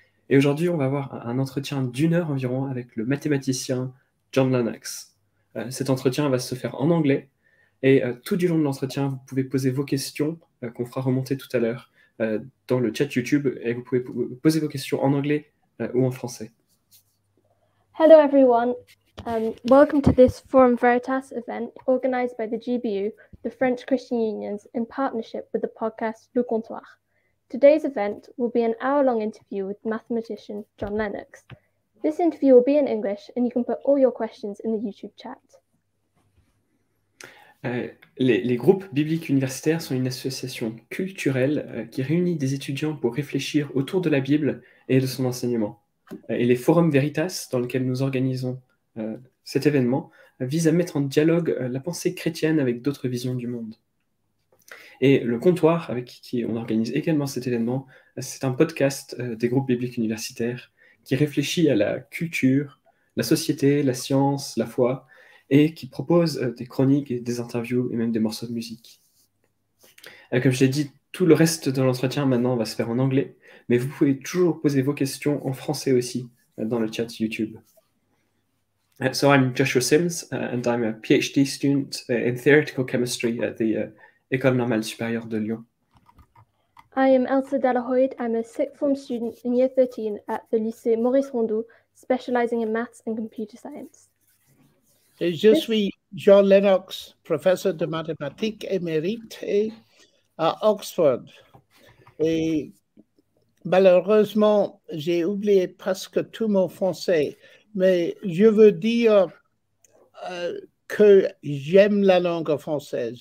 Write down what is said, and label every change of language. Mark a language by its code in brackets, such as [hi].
[fr] Et aujourd'hui, on va avoir un entretien d'1 heure environ avec le mathématicien John Lennox. Cet entretien va se faire en anglais, et tout du long de l'entretien, vous pouvez poser vos questions qu'on fera remonter tout à l'heure dans le chat YouTube, et vous pouvez poser vos questions en anglais ou en français. [en] Hello everyone. Welcome to this Forum Veritas event organized by the GBU, the French Christian Unions, in partnership with the podcast Le Comptoir. Today's event will be an hour-long interview with mathematician John Lennox. This interview will be in English and you can put all your questions in the YouTube chat. [fr] Les groupes bibliques universitaires sont une association culturelle qui réunit des étudiants pour réfléchir autour de la Bible et de son enseignement. Et les forums Veritas, dans lesquels nous organisons cet événement, visent à mettre en dialogue la pensée chrétienne avec d'autres visions du monde. Et le comptoir, avec qui on organise également cet événement, c'est un podcast des groupes bibliques universitaires qui réfléchit à la culture, la société, la science, la foi, et qui propose des chroniques, et des interviews et même des morceaux de musique. Comme je l'ai dit, tout le reste de l'entretien maintenant va se faire en anglais, mais vous pouvez toujours poser vos questions en français aussi dans le chat YouTube. [en] So I'm Joshua Sims and I'm a PhD student in theoretical chemistry at the École Normale Supérieure de Lyon. I am Elsa Delahoyd. I'm a sixth form student in year 13 at the Lycée Maurice Rondeau, specializing in maths and computer science. [fr] Je suis Jean Lennox, professeur de mathématiques émérite à Oxford. Et malheureusement, j'ai oublié presque tout mon français. Mais je veux dire que j'aime la langue française.